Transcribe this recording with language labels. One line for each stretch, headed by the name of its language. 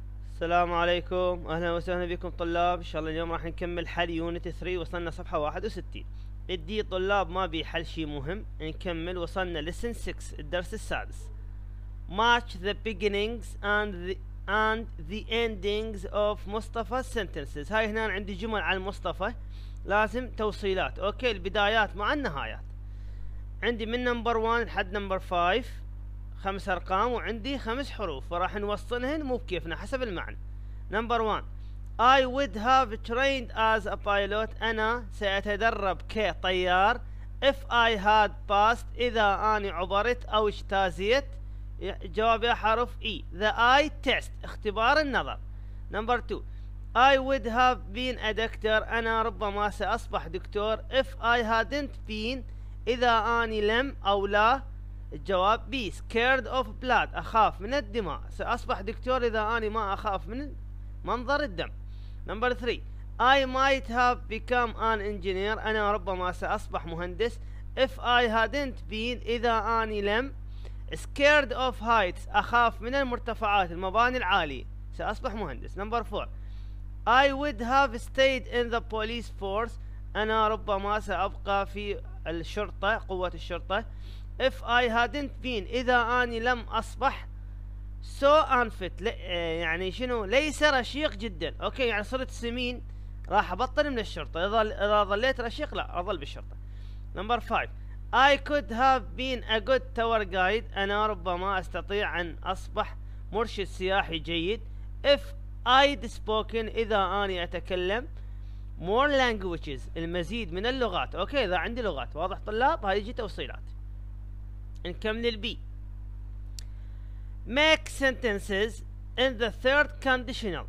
Arabic: السلام عليكم، اهلا وسهلا بكم طلاب. ان شاء الله اليوم راح نكمل حل يونت 3. وصلنا صفحه 61. ادي طلاب ما بي حل شيء مهم، نكمل. وصلنا لسن 6 الدرس السادس.
English: Match the beginnings and the endings of Mustafa's sentences.
Arabic: هاي هنا عندي جمل عن مصطفى، لازم توصيلات. اوكي، البدايات مع النهايات. عندي من نمبر 1 لحد نمبر 5 خمس ارقام، وعندي خمس حروف، فراح نوصلهن مو بكيفنا حسب المعنى.
English: Number 1، I would have trained as a pilot.
Arabic: انا سأتدرب كطيار.
English: If I had passed،
Arabic: اذا اني عبرت او اجتازيت. جواب يا حرف E،
English: the eye test،
Arabic: اختبار النظر.
English: Number 2، I would have been a doctor.
Arabic: انا ربما سأصبح دكتور.
English: If I hadn't been،
Arabic: اذا اني لم او لا. الجواب B،
English: scared of blood،
Arabic: أخاف من الدماء. سأصبح دكتور إذا أنا ما أخاف من منظر الدم.
English: Number 3، I might have become an engineer.
Arabic: أنا ربما سأصبح مهندس.
English: If I hadn't been،
Arabic: إذا أنا لم.
English: Scared of heights،
Arabic: أخاف من المرتفعات المباني العالية. سأصبح مهندس.
English: Number 4، I would have stayed in the police force.
Arabic: أنا ربما سأبقى في الشرطة، قوة الشرطة.
English: If I hadn't been،
Arabic: إذا أني لم أصبح.
English: So unfit،
Arabic: يعني شنو؟ ليس رشيق جدا. أوكي، يعني صرت سمين، راح أبطل من الشرطة. إذا ظليت رشيق لا، أظل بالشرطة.
English: Number 5، I could have been a good tour guide.
Arabic: أنا ربما أستطيع أن أصبح مرشد سياحي جيد.
English: If I'd spoken،
Arabic: إذا أني أتكلم.
English: More languages،
Arabic: المزيد من اللغات. أوكي، إذا عندي لغات. واضح طلاب؟ هاي يجي توصيلات. نكمل البي.
English: Make sentences in the third conditional.